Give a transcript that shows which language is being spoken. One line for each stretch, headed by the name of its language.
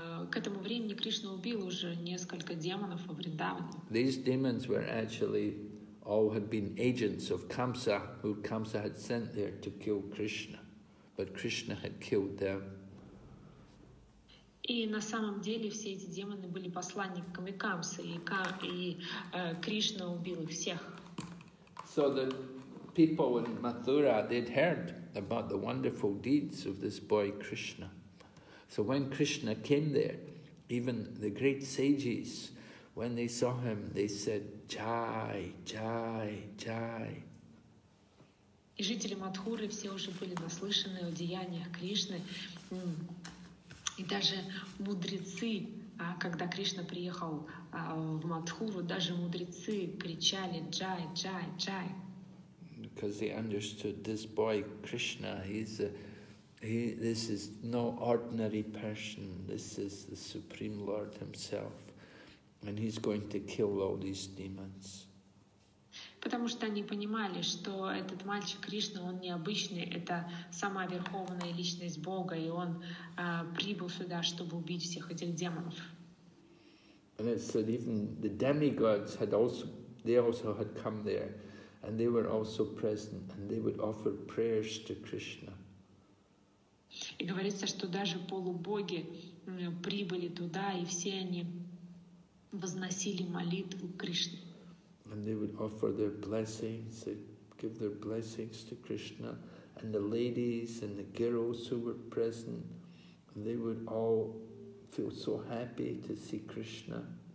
Russian: К этому времени Кришна убил уже несколько демонов во Вриндаване.
English: These demons were actually all had been agents of Kamsa, who Kamsa had sent there to kill Krishna, but Krishna had killed them.
Russian: И на самом деле все эти демоны были посланниками Камсы, Кришна убил их всех.
English: So the people in Mathura, they'd heard about the wonderful deeds of this boy Krishna. So when Krishna came there, even the great sages, when they saw him, they said, Jai, Jai, Jai.
Russian: И жители Мадхуры все уже были наслышаны о деяниях Кришны. И даже мудрецы, когда Кришна приехал в Мадхуру, даже мудрецы кричали «Джай, джай, джай».
English: Because they understood this boy Krishna, this is no ordinary person, this is the Supreme Lord himself, and he's going to kill all these demons.
Russian: Потому что они понимали, что этот мальчик Кришна, он необычный, это самая верховная личность Бога, и он прибыл сюда, чтобы убить всех этих демонов.
English: And it said even the demigods had also come there, and they were also present, and they would offer prayers to Krishna.
Russian: И говорится, что даже полубоги прибыли туда, и все они возносили молитву Кришне.
English: And they would offer their blessings, they'd give their blessings to Krishna, and the ladies and the girls who were present, they would all feel so happy to see Krishna.